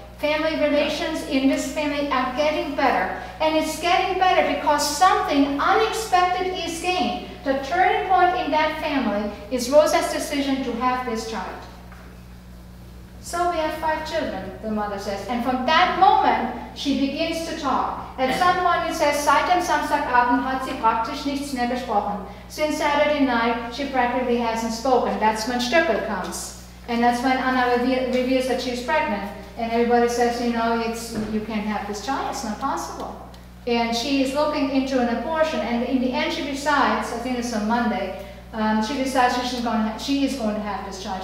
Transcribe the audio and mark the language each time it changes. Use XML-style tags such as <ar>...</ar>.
<en>Family relations in this family are getting better. And it's getting better because something unexpected is gained. The turning point in that family is Rosa's decision to have this child. So we have five children, the mother says. And from that moment, she begins to talk. At some point, it says,</en> <de>seit dem Samstagabend hat sie praktisch nichts mehr gesprochen.</de> <en>Since Saturday night, she practically hasn't spoken. That's when Stöckel comes. And that's when Anna reveals that she's pregnant. And everybody says, you know, you can't have this child. It's not possible. And she is looking into an abortion. And in the end, she decides, I think it's on Monday, she decides she is going to have this child.</en>